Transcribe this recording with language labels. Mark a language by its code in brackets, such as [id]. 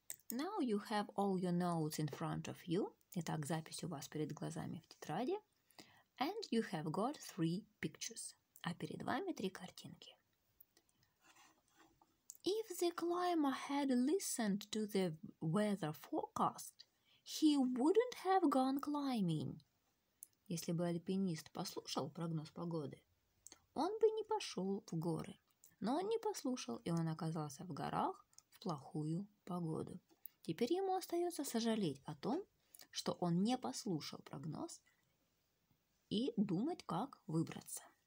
[en] Now you have all your notes in front of you. [ru] Итак, запись у вас перед глазами в тетради. [en] And you have got three pictures. [ru] А перед вами три картинки. [en] If the climber had listened to the weather forecast, he wouldn't have gone climbing. [ru] Если бы альпинист послушал прогноз погоды, он бы не пошел в горы. Но он не послушал, и он оказался в горах в плохую погоду. Теперь ему остается сожалеть о том, что он не послушал прогноз, и думать, как выбраться.